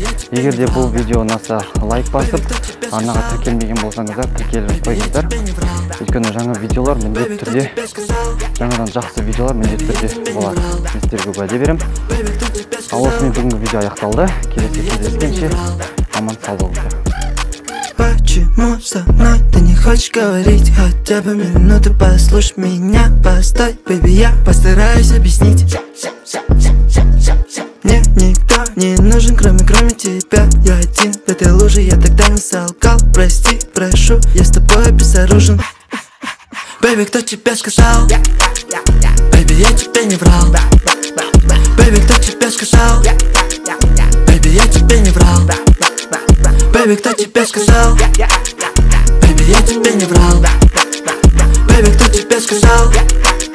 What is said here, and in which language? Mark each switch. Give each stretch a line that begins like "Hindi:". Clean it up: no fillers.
Kazakh: Егер де бұл видео ұнаса, лайк басып, арнаға тіркелмеген болсаңыздар, тіркеліп қойыңыздар. Өйткені жаңа видеолар міндетті түрде, жаңадан жақсы видеолар міндетті түрде болады. Мен сіздерге уәде беремін. Ал осымен бүгінгі видео аяқталды. Келесі кездескенше, аман сау болыңыздар.
Russian: Почему со мной ты не хочешь говорить? Хотя бы минуту послушай меня. Постой, baby, я постараюсь объяснить. Мне никто не нужен, кроме тебя. Я один в этой луже, я тогда не солгал. Прости, прошу, я с тобой обезоружен. Baby, кто тебе сказал? Baby, я тебе не врал. Baby, кто тебе сказал? Baby, я тебе не врал. Baby, кто тебе сказал? Baby, я тебе не врал. Baby, кто тебе сказал? Baby,